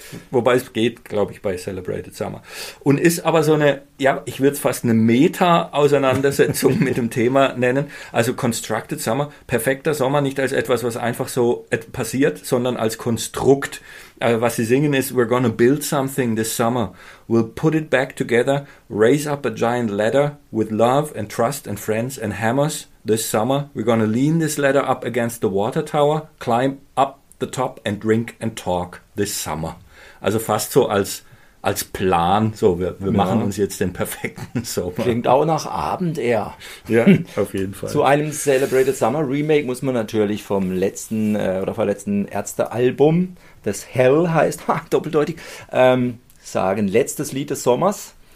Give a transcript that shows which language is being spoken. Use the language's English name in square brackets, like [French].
[German] Wobei es geht, glaube ich, bei Celebrated Summer. Und ist aber so eine, ja, ich würde es fast eine Meta-Auseinandersetzung mit dem Thema nennen. Also Constructed Summer, perfekter Sommer, nicht als etwas, was einfach so passiert, sondern als Konstrukt. Was sie singen ist, [English] we're gonna build something this summer. We'll put it back together, raise up a giant ladder with love and trust and friends and hammers this summer. We're gonna lean this ladder up against the water tower, climb up the top and drink and talk this summer. [German] Also fast so als Plan, so wir machen uns jetzt den perfekten Sommer. Klingt auch nach Abend eher. Ja, auf jeden Fall. Zu einem Celebrated Summer Remake muss man natürlich vom letzten oder vorletzten Ärztealbum, das Hell heißt, doppeldeutig, sagen, letztes Lied des Sommers.